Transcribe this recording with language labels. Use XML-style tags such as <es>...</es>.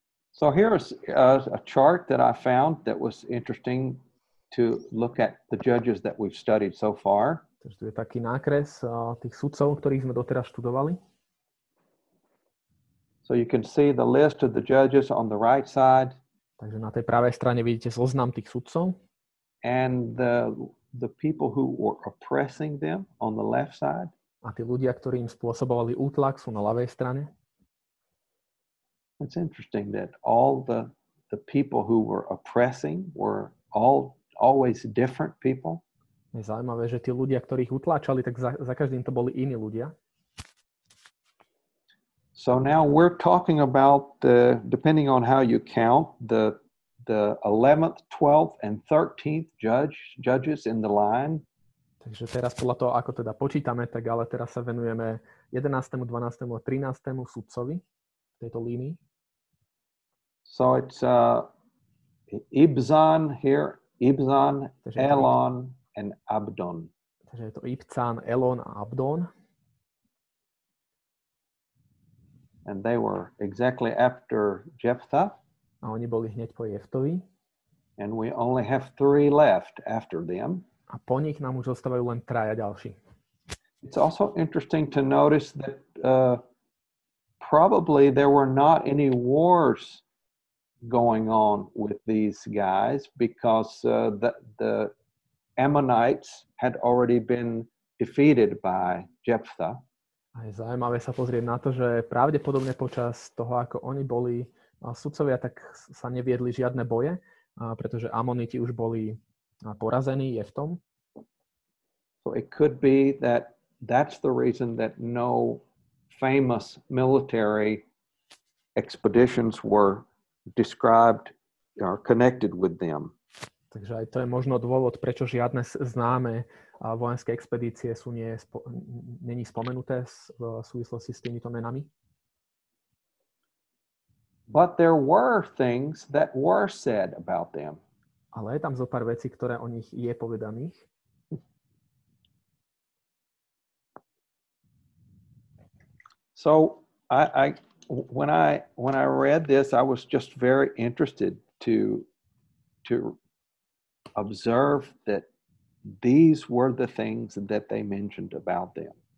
<en>So here is a chart that I found that was interesting to look at the judges that we've studied so far.</en> <sk>Takže tu je taký nákres tých sudcov, ktorých sme doteraz študovali.</sk> <en>So you can see the list of the judges on the right side.</en> <sk>Takže na tej pravej strane vidíte zoznam tých sudcov.</sk> <en>And the people who were oppressing them on the left side.</en> <sk>A tí ľudia, ktorí im spôsobovali útlak, sú na ľavej strane.</sk> <en>It's interesting that all the people who were oppressing were always different people.</en> <sk>Je zaujímavé, že tí ľudia, ktorých utláčali, tak za každým to boli iní ľudia.</sk> <en>So now we're talking about the, depending on how you count, the the 11th, 12th and 13th judges in the line.</en> <sk>Takže teraz podľa toho, ako teda počítame, tak ale teraz sa venujeme 11., 12. a 13. sudcovi v tejto línii.</sk> <en>So it's Ibzan here, Ibzan, Elon and Abdon.</en> <sk>Takže je to Ibzan, Elon a Abdon.</sk> <en>And they were exactly after Jephthah.</en> <sk>A oni boli hneď po Jeftovi.</sk> <en>And we only have three left after them.</en> <sk>A po nich nám už zostávajú len traja ďalší.</sk> <en>It's also interesting to notice that probably there were not any wars going on with these guys because the Ammonites had already been defeated by Jephthah.</en> <sk>A je zaujímavé sa pozrieť na to, že pravdepodobne počas toho, ako oni boli sudcovia, tak sa neviedli žiadne boje, pretože Amoniti už boli porazení Jeftom.</sk> <en>So it could be that that's the reason that no famous military expeditions were described or connected with them.</en> <sk>Takže aj to je možno dôvod, prečo žiadne známe vojenské expedície sú není spomenuté v súvislosti s týmito menami.</sk> <en>But there were things that were said about them.</en> <sk>Ale je tam zo pár vecí, ktoré o nich je povedaných.</sk> <en>So when I read this, I was just very interested to observe that these were the things that they mentioned about them.</en>